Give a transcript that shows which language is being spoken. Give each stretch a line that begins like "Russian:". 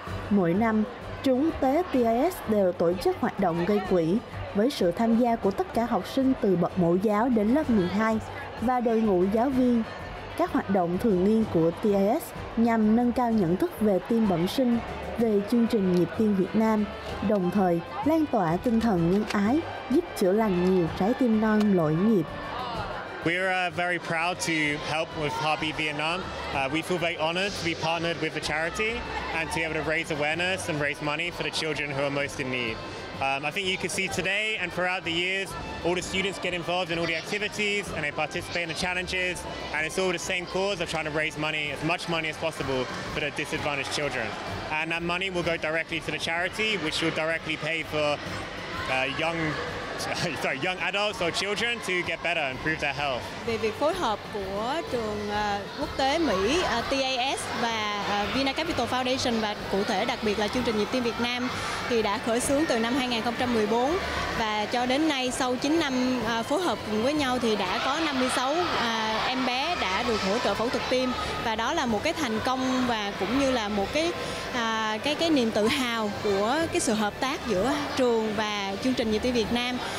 Vietnamese: Mỗi năm, trường quốc tế TIS đều tổ chức hoạt động gây quỹ với sự tham gia của tất cả học sinh từ bậc mẫu giáo đến lớp 12 và đội ngũ giáo viên. Các hoạt động thường niên của TIS nhằm nâng cao nhận thức về tim bẩm sinh, về chương trình Nhịp Tim Việt Nam, đồng thời lan tỏa tinh thần nhân ái, giúp chữa lành nhiều trái tim non lỗi nhịp.
English: We're very proud to help with Heartbeat Vietnam. We feel very honored to be partnered with the charity and to be able to raise awareness and raise money for the children who are most in need. I think you can see today and throughout the years, all the students get involved in all the activities and they participate in the challenges, and it's all the same cause of trying to raise money, as much money as possible, for the disadvantaged children. And that money will go directly to the charity, which will directly pay for young adults or children to get better and improve their health.
Vietnamese: Về việc phối hợp của trường quốc tế Mỹ TIS và Vina Capital Foundation và cụ thể đặc biệt là chương trình Nhịp Tim Việt Nam thì đã khởi xướng từ năm 2014 và cho đến nay sau 9 năm phối hợp cùng với nhau thì đã có 56 em bé đã được hỗ trợ phẫu thuật tim, và đó là một cái thành công và cũng như là một cái niềm tự hào của cái sự hợp tác giữa trường và chương trình Nhịp Tim Việt Nam.